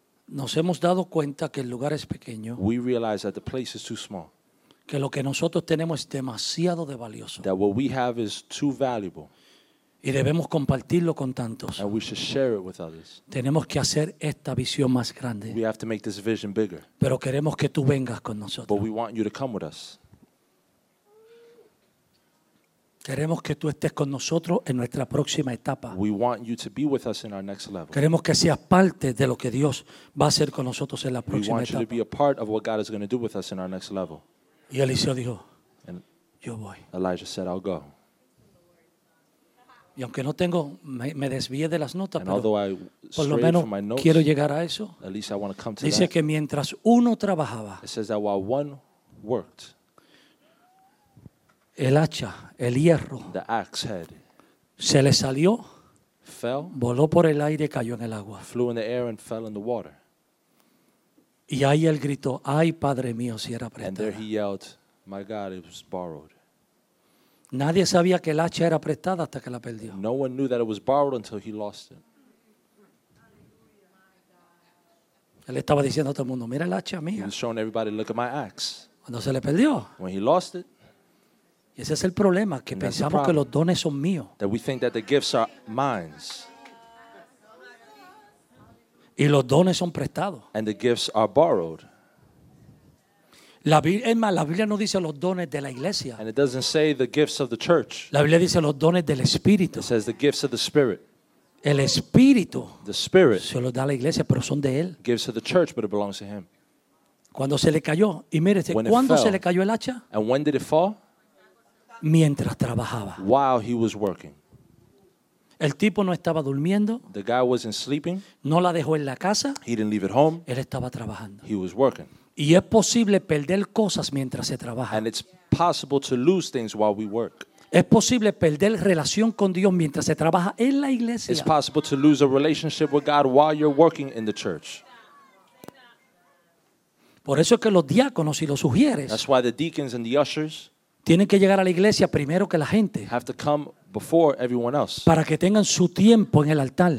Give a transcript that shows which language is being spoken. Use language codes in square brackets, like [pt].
[es] Nos hemos dado cuenta que el lugar es pequeño. [en] We realize that the place is too small. [es] Que lo que nosotros tenemos es demasiado de valioso. [en] That what we have is too valuable. [es] Y debemos compartirlo con tantos. [en] And we should share it with others. [es] Tenemos que hacer esta visión más grande. [en] We have to make this vision bigger. [es] Pero queremos que tú vengas con nosotros. [en] But we want you to come with us. [es] Queremos que tú estés con nosotros en nuestra próxima etapa. [en] We want you to be with us in our next level. [es] Queremos que seas parte de lo que Dios va a hacer con nosotros en la próxima etapa. [en] We want you to be a part of what God is going to do with us in our next level. [es] Y Eliseo dijo, yo voy. [en] Elijah said, I'll go. [es] Y aunque no tengo, me desvié de las notas, [en] and [es] pero por lo menos [en] notes, [es] quiero llegar a eso. [en] At least I want to come to [es] dice [en] that. [es] Que mientras uno trabajaba, [en] it says that while one worked, [es] el hacha, el hierro, [en] the axe head, [es] se le salió, [en] fell, [es] voló por el aire y cayó en el agua. [en] Flew in the air and fell in the water. [es] Y ahí él gritó, ay, Padre mío, si era prestada. [en] And there he yelled, my God, it was borrowed. [es] Nadie sabía que el hacha era prestada hasta que la perdió. [en] No one knew that it was borrowed until he lost it. [es] Él estaba diciendo a todo el mundo, mira el hacha mía. [en] He was showing everybody, look at my axe. [es] Cuando se le perdió. [en] When he lost it. [es] Y ese es el problema, que pensamos que los dones son míos. [en] That we think that the gifts are mine. [es] Y los dones son prestados. [en] And the gifts are borrowed. [es] Es más, la Biblia no dice los dones de la iglesia. [en] And it doesn't say the gifts of the church. [es] La Biblia dice los dones del Espíritu. [en] It says the gifts of the Spirit. [es] El Espíritu. [en] The Spirit. [es] Se los da a la iglesia, pero son de él. [en] Gives to the church, but it belongs to him. [es] Cuando se le cayó. Y mire, ¿cuándo se le cayó el hacha? [en] And when did it fall? [es] Mientras trabajaba. [en] While he was working. [es] El tipo no estaba durmiendo. [en] The guy wasn't sleeping. [es] No la dejó en la casa. [en] He didn't leave it home. [es] Él estaba trabajando. [en] He was working. [es] Y es posible perder cosas mientras se trabaja. [en] And it's possible to lose things while we work. [es] Es posible perder relación con Dios mientras se trabaja en la iglesia. [en] It's possible to lose a relationship with God while you're working in the church. [es] Por eso es que los diáconos y los sugieres. [en] That's why the deacons and the ushers. [es] Tienen que llegar a la iglesia primero que la gente. [en] Have to come before everyone else. [es] Para que tengan su tiempo en el altar.